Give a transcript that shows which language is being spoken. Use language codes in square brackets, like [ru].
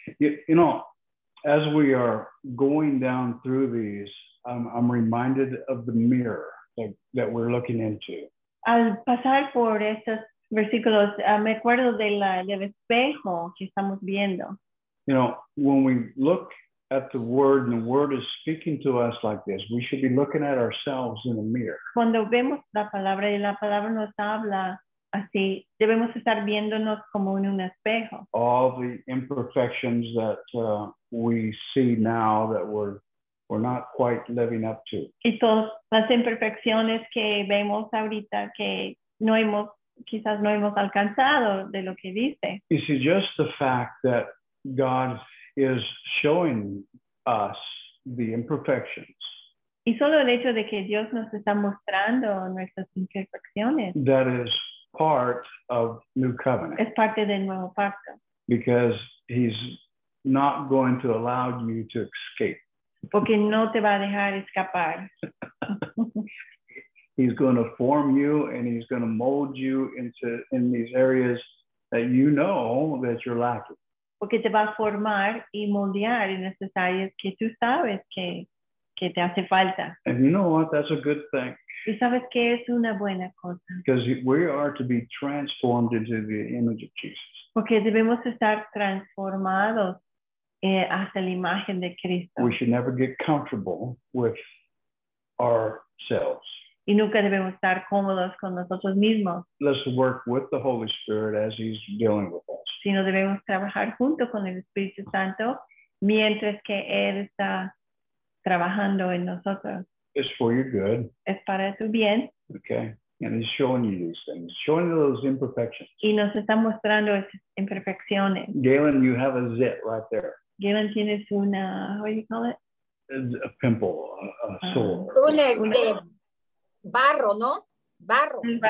[en] You know, as we are going down through these, I'm reminded of the mirror that we're looking into. [es] Al pasar por estas versículos, me acuerdo del espejo que estamos viendo. [en] You know, when we look at the word and the word is speaking to us like this, we should be looking at ourselves in a mirror. [es] Cuando vemos la palabra y la palabra nos habla así, debemos estar viéndonos como en un espejo. [en] All the imperfections that we see now that we're not quite living up to. [es] Y todas las imperfecciones que vemos ahorita que no hemos quizás no hemos alcanzado de lo que dice. [en] You see, just the fact that God is showing us the imperfections. [es] Y solo el hecho de que Dios nos está mostrando nuestras imperfecciones. [en] That is part of new covenant. [es] Es parte del nuevo pacto. [en] Because he's not going to allow you to escape. [es] Porque no te va a dejar escapar. [en] He's going to form you and he's going to mold you into in these areas that you know that you're lacking. [es] Porque te va a formar y moldear en esas áreas que tú sabes que te hace falta. [en] And you know what? That's a good thing. [es] ¿Y sabes qué es una buena cosa? [en] Because we are to be transformed into the image of Jesus. [es] Porque debemos estar transformados hasta la imagen de Cristo. [en] We should never get comfortable with ourselves. [es] Y nunca debemos estar cómodos con nosotros mismos. [en] Let's work with the Holy Spirit as he's dealing with us. [es] Sino debemos trabajar junto con el Espíritu Santo mientras que él está trabajando en nosotros. [en] It's for your good. [es] Es para tu bien. [en] Okay. And he's showing you these things, showing you those imperfections. [es] Y nos está mostrando esas imperfecciones. [en] Galen, you have a zit right there. [es] Galen, tienes una, [en] what do you call it? A pimple, a sore. [es] Una barro, ¿no? Barro.